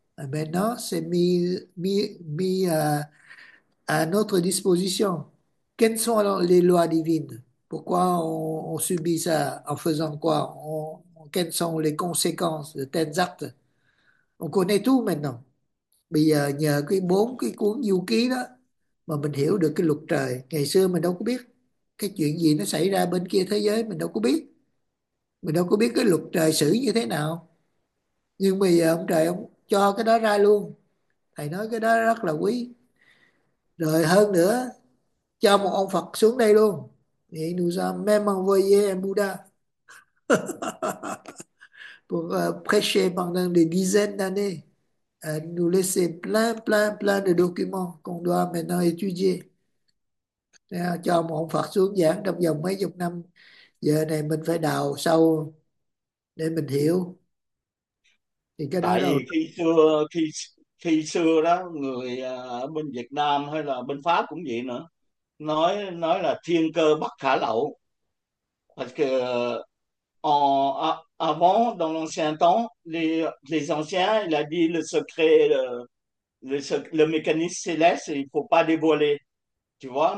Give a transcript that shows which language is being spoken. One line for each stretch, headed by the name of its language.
French: Maintenant, c'est mis à notre disposition. Quelles sont alors les lois divines? Pourquoi on subit ça? En faisant quoi? Quelles sont les conséquences de tels actes? On connaît tout maintenant.
Vietnamese: Bây giờ, nhờ cái bốn cái cuốn du ký đó mà mình hiểu được cái luật trời. Ngày xưa mình đâu có biết cái chuyện gì nó xảy ra bên kia thế giới, mình đâu có biết. Mình đâu có biết cái luật trời xử như thế nào. Nhưng bây giờ ông trời ông cho cái đó ra luôn. Thầy nói cái đó rất là quý. Rồi hơn nữa, cho một ông Phật xuống đây luôn.
French: Thì nous a même envoyé un Bouddha pour prêcher pendant des dizaines d'années, nous laisser plein, plein, plein de documents qu'on doit maintenant étudier.
Vietnamese: Cho một ông Phật xuống giảng trong vòng mấy chục năm. Giờ này mình phải đào sâu để mình hiểu. Thì cái đó Tại đâu vì khi xưa đó, người bên Việt Nam hay là bên Pháp cũng vậy nữa, nói là thiên cơ bất khả lậu.
French: Parce que avant, dans l'ancien temps, les anciens, il a dit le secret, le mécanisme céleste, il faut pas dévoiler, tu vois.